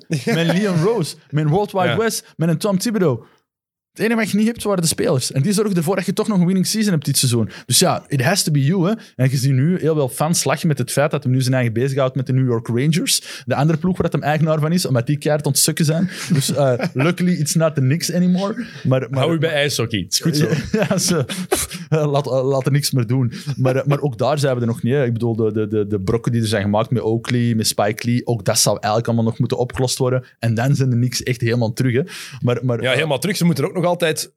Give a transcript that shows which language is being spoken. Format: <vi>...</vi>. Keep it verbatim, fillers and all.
<nl>Met Leon Rose, met een World Wide ja. West, met een Tom Thibodeau. Het enige wat je niet hebt, waren de spelers. En die zorgen ervoor dat je toch nog een winning season hebt dit seizoen. Dus ja,</nl> <en>it has to be you.</en> <nl>Hè. En je ziet nu heel veel fans lachen met het feit dat hij nu zijn eigen bezighoudt met de New York Rangers. De andere ploeg waar hij eigenaar van is, omdat die keihard ontstukken zijn.</nl> <en>Dus uh, luckily, it's not the Knicks anymore.</en> <nl>Maar, maar, hou je bij ijshockey, het is goed zo. ja, ze, uh, laat, uh, laat er niks meer doen. Maar, uh, maar ook daar zijn we er nog niet. Hè. Ik bedoel, de, de, de, de brokken die er zijn gemaakt met Oakley, met Spike Lee, ook dat zou eigenlijk allemaal nog moeten opgelost worden. En dan zijn de Knicks echt helemaal terug. Hè. Maar, maar, ja, helemaal terug. Ze moeten er ook nog altijd...</nl>